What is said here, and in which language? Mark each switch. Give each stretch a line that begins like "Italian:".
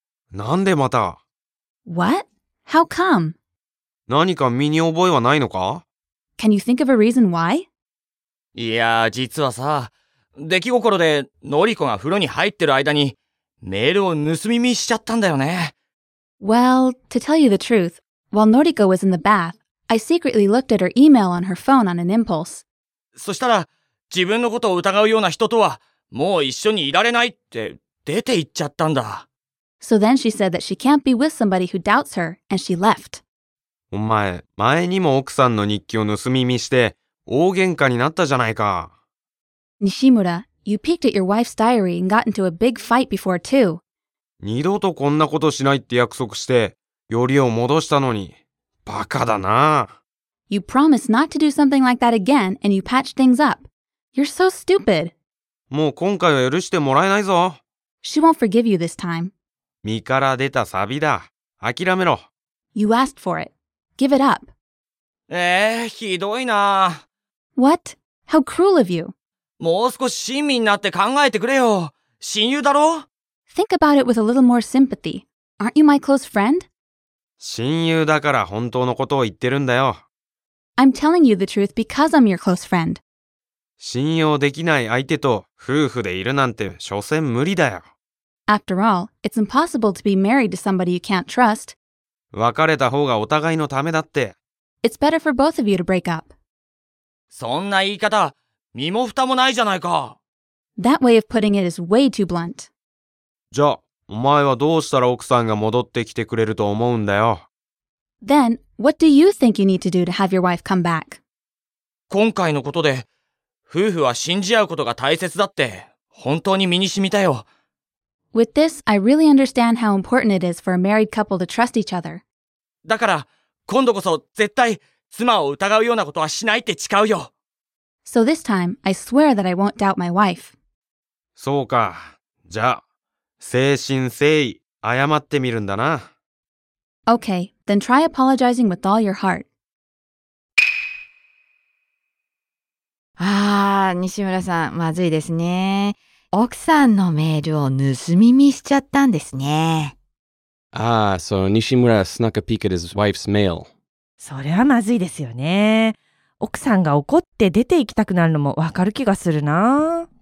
Japanese: なんでまた?
English: What? How come?
Japanese: 何か身に覚えはないのか?
English: Can you think of a reason why?
Japanese: いや、実はさ、出来心でのりこが風呂に入ってる間にメールを盗み見しちゃったんだよね。
English: Well, to tell you the truth, while Noriko was in the bath, I secretly looked at her email on her phone on an impulse.
Japanese: そしたら、自分のことを疑うような人とはもう一緒にいられないって出て行っちゃったんだ。
English: So then she said that she can't be with somebody who doubts her, and she left.
Japanese: お前、前にも奥さんの日記を盗み見して大喧嘩になったじゃないか。
English: Nishimura, you peeked at your wife's diary and got into a big fight before too.
Japanese: 二度とこんなことしないって約束してよりを戻したのに、バカだな。
English: You promised not to do something like that again, and you patched things up. You're so stupid.
Japanese: もう今回は許してもらえないぞ。
English: She won't forgive you this time.
Japanese: 身から出たサビだ。諦めろ。
English: You asked for it. give it up.
Japanese: ひどいな。
English: What? How cruel of you.
Japanese: もう少し親身になって考えてくれよ。親友だろ?
English: Think about it with a little more sympathy. Aren't you my close friend?
Japanese: 親友だから本当のことを言ってるんだよ。
English: I'm telling you the truth because I'm your close friend.
Japanese: 信用できない相手と夫婦でいるなんて所詮無理だよ。
English: After all, it's impossible to be married to somebody you can't trust.
Japanese: 別れた方がお互いのためだって。
English: It's better for both of you to break up.
Japanese: そんな言い方、身も蓋もないじゃないか。
English: That way of putting it is way too blunt.
Japanese: じゃあ、お前はどうしたら奥さんが戻ってきてくれると思うんだよ。
English: Then, what do you think you need to do to have your wife come back?
Japanese: 今回のことで、夫婦は信じ合うことが大切だって、本当に身に染みたよ。
English: With this, I really understand how important it is for a married couple to trust each other.
Japanese: だから、今度こそ絶対妻を疑うようなことはしないって誓うよ。
English: So this time, I swear that I won't doubt my wife.
Japanese: そうか。じゃあ、誠心誠意、謝ってみるんだな。
English: Okay, then try apologizing with all your heart.
Japanese: ああ、西村さん、まずいですね。奥さんのメールを盗み見しちゃったんですね。
English: Ah, so Nishimura snuck a peek at his wife's mail.
Japanese: それはまずいですよね。奥さんが怒って出て行きたくなるのもわかる気がするな。